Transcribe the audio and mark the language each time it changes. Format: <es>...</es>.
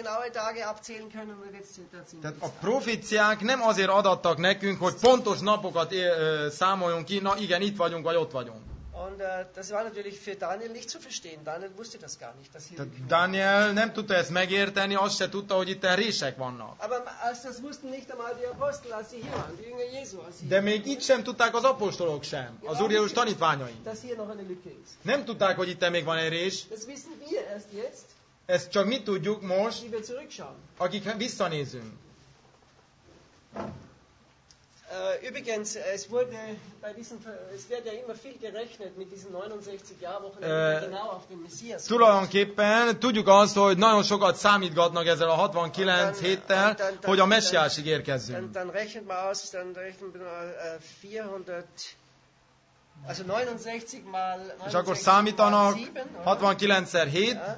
<hu>Tehát a proféciák nem azért adattak nekünk, hogy pontos napokat számoljunk ki, na igen, itt vagyunk, vagy ott vagyunk.</hu> <de>Und das war natürlich für Daniel nicht zu verstehen. Daniel wusste das gar nicht, dass hier.</de> <hu>Daniel nem tudta ezt megérteni, azt se tudta, hogy itt rések vannak.</hu> <de>Aber das wussten nicht einmal die Apostel, als sie hier waren, die Jünger Jesu.</de> <hu>De még itt sem tudták az apostolok sem, az Úr Jézus tanítványai.</hu> <de>Dass hier noch eine Lücke ist.</de> <hu>Nem tudták, hogy itt még van egy rés.</hu> <de>Das wissen wir erst jetzt.</de> <hu>Ezt csak mi tudjuk most,</hu> <de>wie wir zurückschauen.</de> <hu>Akik visszanézünk.</hu> <de>Übrigens, es wurde bei diesem, es wird ja immer viel gerechnet mit diesen 69 Jahrwochen, genau auf den Messias.</de> <hu>Tulajdonképpen tudjuk azt, hogy nagyon sokat számítgatnak ezzel a 69 héttel, hogy a messiásig érkezzünk.</hu> <de>Dann rechnet man aus, dann rechnet man 400, also 69 mal 7.</de> <hu>És akkor számítanak 69-szer 7.</hu>